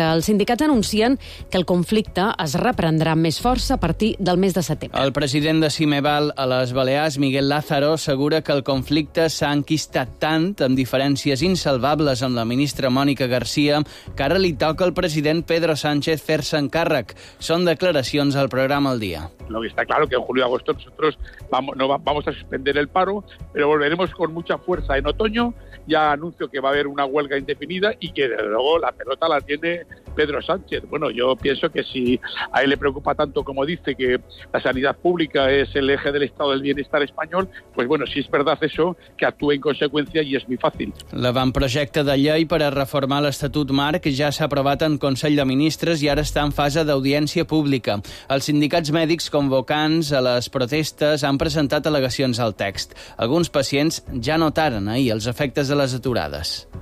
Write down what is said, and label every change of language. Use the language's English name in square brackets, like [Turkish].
[Catalan] Els sindicats anuncien que el conflicte es reprendrà amb més força a partir del mes de setembre. El president de Cimeval a les Balears, Miguel Lázaro, assegura que el conflicte s'ha enquistat tant, amb diferències insalvables amb la ministra Mònica García, que ara li toca al president Pedro Sánchez fer-se encàrrec. Són declaracions al programa El Día. [Spanish] Lo que está claro que en julio y agosto nosotros vamos a suspender el paro, pero volveremos con mucha fuerza en otoño. Ya anuncio que va a haber una huelga indefinida y que desde luego la pelota la tiene Pedro Sánchez. Bueno, yo pienso que si a él le preocupa tanto como dice que la sanidad pública es el eje del estado del bienestar español, pues bueno, si es verdad eso, que actúe en consecuencia y es muy fácil. [Catalan] L'avantprojecte de llei per a reformar l'Estatut Marc ja s'ha aprovat en Consell de Ministres i ara està en fase d'audiència pública. Els sindicats mèdics convocants a les protestes han presentat al·legacions al text. Alguns pacients ja notaren ahir els efectes de les aturades.